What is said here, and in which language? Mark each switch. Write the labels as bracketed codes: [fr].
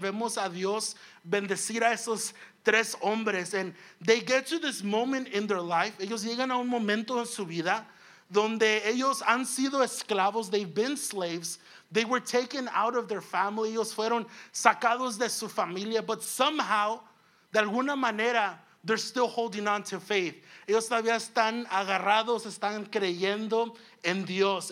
[es] Vemos a Dios bendecir a esos tres hombres. [en] And they get to this moment in their life. [es] Ellos llegan a un momento en su vida donde ellos han sido esclavos. [en] They've been slaves. They were taken out of their family. [es] Ellos fueron sacados de su familia. [en] But somehow, [es] de alguna manera, [en] they're still holding on to faith. [es] Ellos todavía están agarrados, están creyendo en Dios.